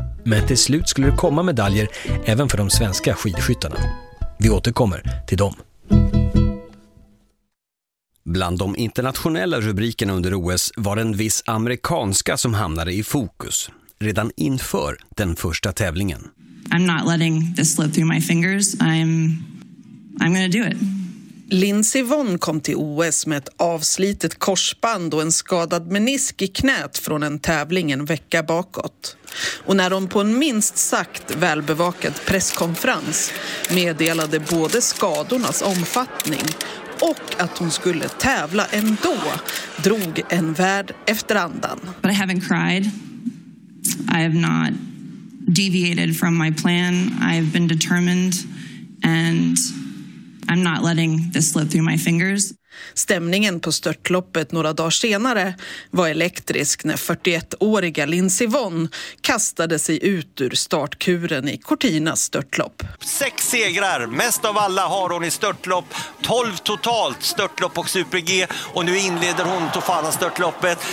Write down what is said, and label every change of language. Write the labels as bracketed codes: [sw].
[sv] Men till slut skulle det komma medaljer även för de svenska skidskyttarna. Vi återkommer till dem. Bland de internationella rubrikerna under OS var en viss amerikanska som hamnade i fokus redan inför den första tävlingen. [en] I'm not letting this slip through my fingers. I'm gonna do it. [sv] Lindsey Vonn kom till OS med ett avslitet korsband och en skadad menisk i knät från en tävling en vecka bakåt. Och när hon på en minst sagt välbevakad presskonferens meddelade både skadornas omfattning och att hon skulle tävla ändå, drog en värld efter andan. [en] But I haven't cried. I have not deviated from my plan. I have been determined and I'm not letting this slip through my fingers. [sv] Stämningen på störtloppet några dagar senare var elektrisk när 41-åriga Lindsey Vonn kastade sig ut ur startkuren i Cortinas störtlopp. 6 segrar, mest av alla har hon i störtlopp. 12 totalt störtlopp och Super-G. Och nu inleder hon Tofanas störtloppet.